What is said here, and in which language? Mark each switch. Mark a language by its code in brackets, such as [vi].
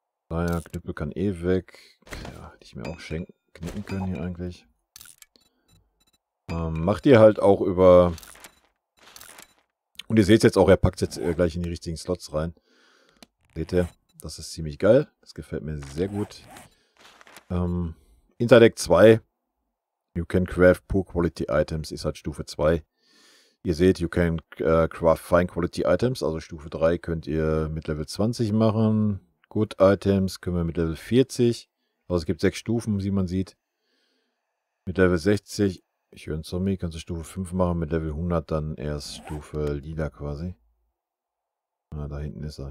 [de] Naja, Knüppel kann eh weg. Ja, hätte ich mir auch schenken, knicken können hier eigentlich. Macht ihr halt auch über. Und ihr seht jetzt auch, er packt jetzt gleich in die richtigen Slots rein. Seht ihr? Das ist ziemlich geil. Das gefällt mir sehr gut. Intellekt 2. [en] You can craft poor quality items. [de] Ist halt Stufe 2. Ihr seht, [en] you can craft fine quality items. [de] Also Stufe 3 könnt ihr mit Level 20 machen. Good items können wir mit Level 40. Also es gibt 6 Stufen, wie man sieht. Mit Level 60, ich höre einen Zombie, kannst du Stufe 5 machen, mit Level 100 dann erst Stufe Lila quasi. Ah, da hinten ist er.